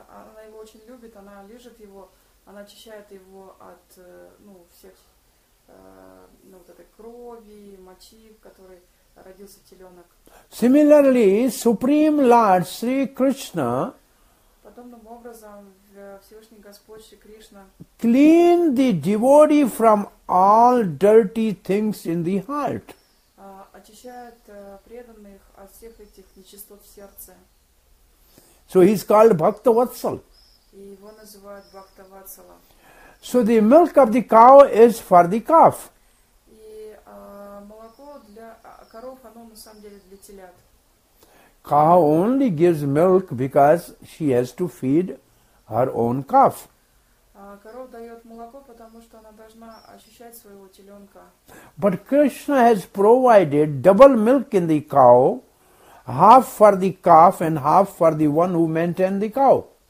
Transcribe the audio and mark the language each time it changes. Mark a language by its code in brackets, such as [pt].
[ru] Она его очень любит, она лижет его, она очищает его от, ну, всех, ну, вот этой крови, мочи, в которой родился теленок. [en] Similarly, Supreme Lord Sri Krishna [ru] подобным образом Всевышний Господь Шри Кришна [en] clean the devotee from all dirty things in the heart. [ru] Очищает преданных от всех этих нечистот в сердце. [en] So he is called Bhakta Vatsala. [ru] И его называют Bhakta Vatsala. [en] So the milk of the cow is for the calf. [ru] И молоко для коров, оно на самом деле для телят. [en] Cow only gives milk because she has to feed her own calf. [ru] Коров дает молоко, потому что она должна ощущать своего теленка. [en] But Krishna has provided double milk in the cow, half for the calf and half for the one who maintains the cow.